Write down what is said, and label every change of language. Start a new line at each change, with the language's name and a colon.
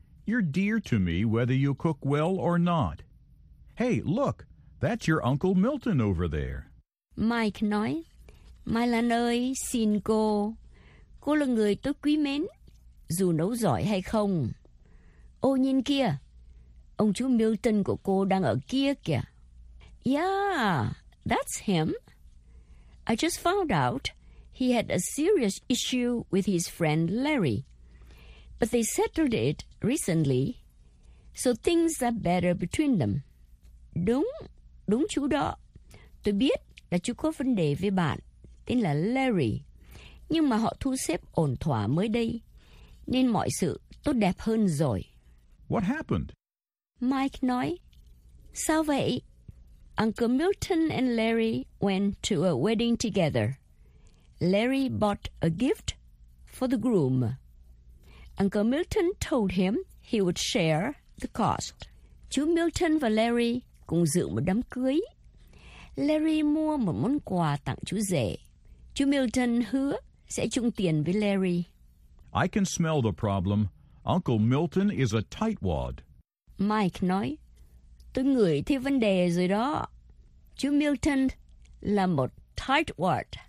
English: You're dear to me whether you cook well or not. Hey, look. That's your Uncle Milton over there.
Vietnamese: Mike nói, Mylon ơi, xin cô. Cô là người tôi quý mến, dù nấu giỏi hay không. Ô nhìn kia, ông chú Milton của cô đang ở kia kìa.
English: Yeah, that's him. I just found out he had a serious issue with his friend Larry. But they settled it recently, so things are better between them.
Vietnamese: Đúng chú đó. Tôi biết là chú có vấn đề với bạn, tên là Larry. Nhưng mà họ thu xếp ổn thỏa mới đây, nên mọi sự tốt đẹp hơn rồi.
English: What happened?
Vietnamese: Mike nói, sao vậy?
English: Uncle Milton and Larry went to a wedding together. Larry bought a gift for the groom. Uncle Milton told him he would share the cost.
Vietnamese: Chú Milton và Larry cùng dự một đám cưới. Larry mua một món quà tặng chú rể. Chú Milton hứa sẽ chung tiền với Larry.
English: I can smell the problem. Uncle Milton is a tightwad.
Vietnamese: Mike nói, tôi ngửi thấy vấn đề rồi đó. Chú Milton là một tightwad.